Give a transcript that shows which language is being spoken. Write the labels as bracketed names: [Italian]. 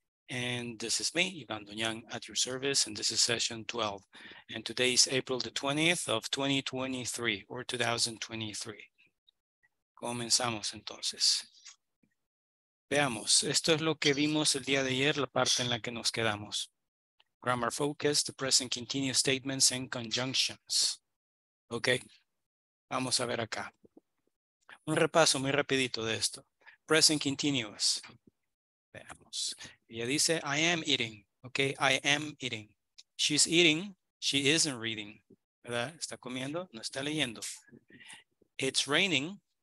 [English] And this is me, Iván Duñán, at your service. And this is session 12. And today is April the 20th of 2023 or 2023. [Spanish] Comenzamos entonces. Veamos, esto es lo que vimos el día de ayer, la parte en la que nos quedamos. [English] Grammar focus, the present continuous statements and conjunctions. [Spanish] Ok. Vamos a ver acá. Un repaso muy rapidito de esto. [English] Present continuous. [Spanish] Veamos. Ella dice, [English] I am eating. Ok, I am eating. She's eating. She isn't reading. [Spanish] ¿Verdad? Está comiendo. No está leyendo. [English] It's raining.